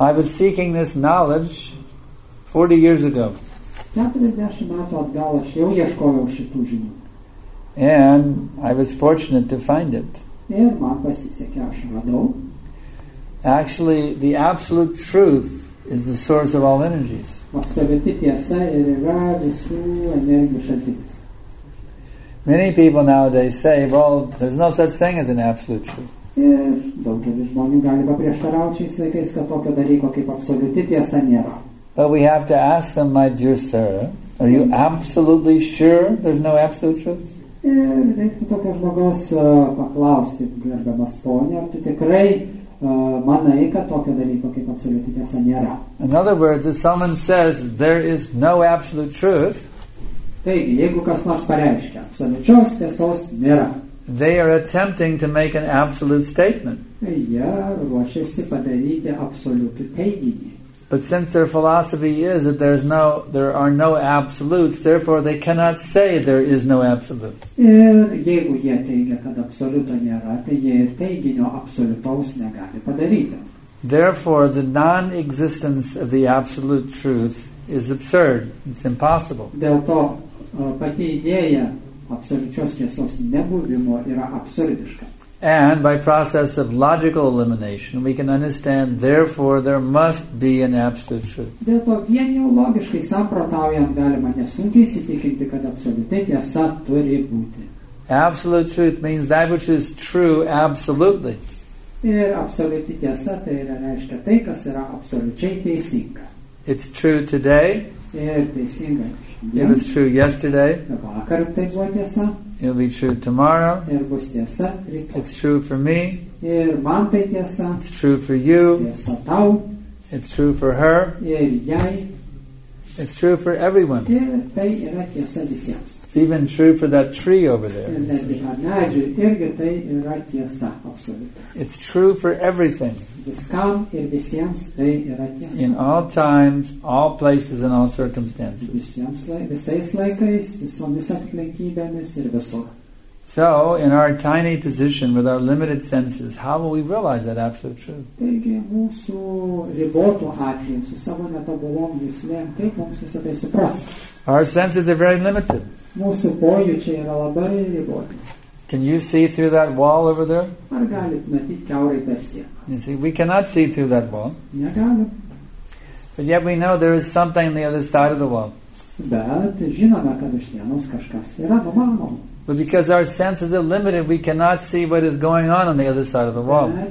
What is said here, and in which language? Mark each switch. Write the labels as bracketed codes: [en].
[en] I was seeking this knowledge 40 years ago. [lt] 40 metų atgal aš jau ieškojau šitų žinių. [en] And I was fortunate to find it. [lt] Ir man pasisekė, aš radau. [en] Actually, the absolute truth is the source of all energies. Many people nowadays say, well, there's no such thing as an absolute truth. But we have to ask them, my dear sir, are you absolutely sure there's no absolute truth? [lt] Ir reiktų tokio žmogaus paklausti, gerbiamas ponia, ar tu tikrai manai, kad tokio dalyko kaip absoliuti tiesa nėra. [en] In other words, if someone says there is no absolute truth, [lt] taigi, jeigu kas nors pareiškia, absoliučios tiesos nėra, [en] they are attempting to make an absolute statement. [lt] Jie ruošiasi padaryti absoliutų teiginį. [en] But since their philosophy is that there are no absolutes, therefore they cannot say there is no absolute. [lt] Ir jeigu jie teigia, kad absoliuto nėra, tai jie ir teiginio absoliutaus negali padaryti. [en] Therefore, the non-existence of the absolute truth is absurd. It's impossible. [lt] Dėl to pati idėja absoliučios tiesos nebuvimo yra absurdiška. [en] And by process of logical elimination, we can understand, therefore, there must be an absolute truth. [lt] Dėl to vien jau logiškai samprotaujant galima nesunkiai įsitikinti, kad absoliuti tiesa turi būti. [en] Absolute truth means that which is true absolutely. [lt] Ir absoliuti tiesa tai yra reiškia tai, kas yra absoliučiai teisinga. [en] It's true today. [lt] Ir teisinga. [en] It was true yesterday. [lt] Vakar tai buvo tiesa. [en] It'll be true tomorrow. [lt] Ir bus tiesa. [en] It's true for me. [lt] Ir man tai tiesa. [en] It's true for you. [lt] Tiesa tau. [en] It's true for her. [lt] Ir jai. [en] It's true for everyone. [lt] Ir tai yra tiesa visiems. [en] It's even true for that tree over there. [lt] Ir netgi medžiui irgi tai yra tiesa absoliuti. [en] It's true for everything. [lt] Viskam ir visiems tai yra tiesa. [en] In all times, all places and all circumstances. [lt] Visais laikais, visomis aplinkybėmis ir visur. [en] So, in our tiny position with our limited senses, how will we realize that absolute truth? [lt] Taigi, mūsų ribotų atveju, su savo netobulom jislėm, kaip mums visą tai suprasti? [en] Our senses are very limited. [lt] Mūsų pojūčiai yra labai riboti. [en] Can you see through that wall over there? [lt] Ar galit matyti kiaurai per sieną? [en] You see, we cannot see through that wall. [lt] Negalim. [en] But yet we know there is something on the other side of the wall. [lt] Bet žinome, kad už sienos kažkas yra numanoma. [en] But because our senses are limited, we cannot see what is going on the other side of the wall.